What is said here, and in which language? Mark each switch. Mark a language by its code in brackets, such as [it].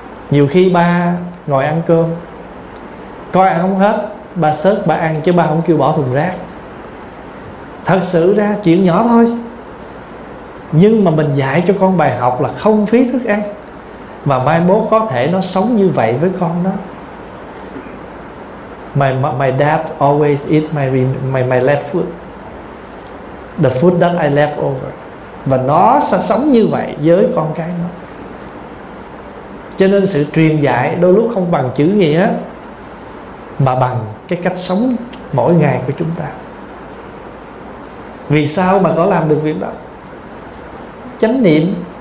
[vi] Nhiều khi ba ngồi ăn cơm, coi ăn không hết, ba xớt ba ăn chứ ba không kêu bỏ thùng rác. Thật sự ra chuyện nhỏ thôi, nhưng mà mình dạy cho con bài học là không phí thức ăn, mà mai mốt có thể nó sống như vậy với con đó. [en] My dad always eat my left food, the food that I left over. [vi] Và nó sẽ sống như vậy với con cái nó. Cho nên sự truyền dạy đôi lúc không bằng chữ nghĩa, mà bằng cái cách sống mỗi ngày của chúng ta. Vì sao mà có làm được việc đó? Chánh niệm.